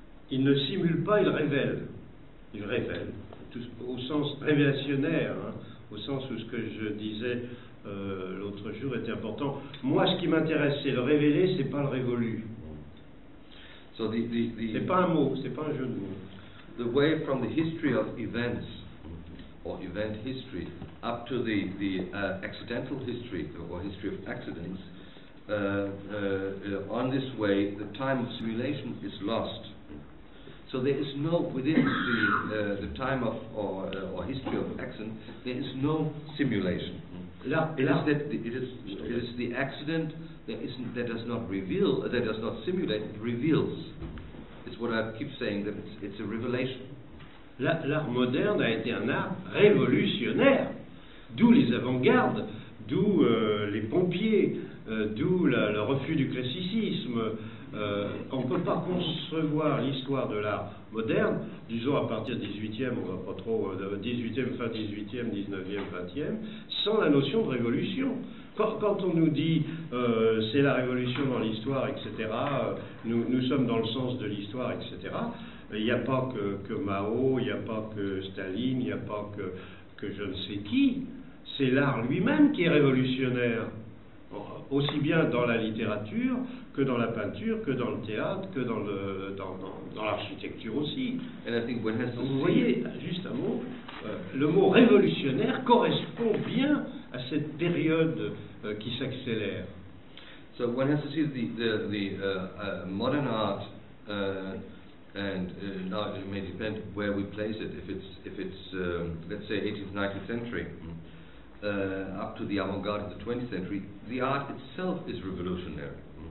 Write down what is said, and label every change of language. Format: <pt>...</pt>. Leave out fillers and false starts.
<fr>Il ne simule pas, il révèle. Il révèle, tout, au sens révélationnaire, hein, au sens où ce que je disais l'autre jour était important. Moi, ce qui m'intéresse, c'est le révéler, c'est pas le révolu.</fr> <en>So the</en> <fr>c'est pas un mot, c'est pas un jeu de mots.</fr> <en>The way from the history of events or event history up to the accidental history or history of accidents on this way the time of simulation is lost. So there is no within the time of or history of accident there is no simulation. It is the accident that does not reveal, that does not simulate, it reveals. It's what I keep saying, that it's a revelation.</en> <fr>L'art moderne a été un art révolutionnaire, d'où les avant-gardes, d'où les pompiers, d'où le refus du classicisme. On ne peut pas concevoir l'histoire de l'art moderne, disons à partir du 18e, on ne va pas trop, 18e, fin 18e, 19e, 20e, sans la notion de révolution. Quand on nous dit c'est la révolution dans l'histoire, etc., nous sommes dans le sens de l'histoire, etc., n'y a pas que Mao, il n'y a pas que Staline, il n'y a pas que je ne sais qui. C'est l'art lui-même qui est révolutionnaire, aussi bien dans la littérature que dans la peinture, que dans le théâtre, que dans l'architecture aussi.</fr> <en>And I think one has to</en> <fr>Vous voyez, juste un mot, le mot révolutionnaire correspond bien à cette période qui s'accélère.</fr> <en>So one has to see the modern art and now it may depend where we place it. If it's let's say 18th, 19th century, up to the avant-garde of the 20th century, the art itself is revolutionary.</en>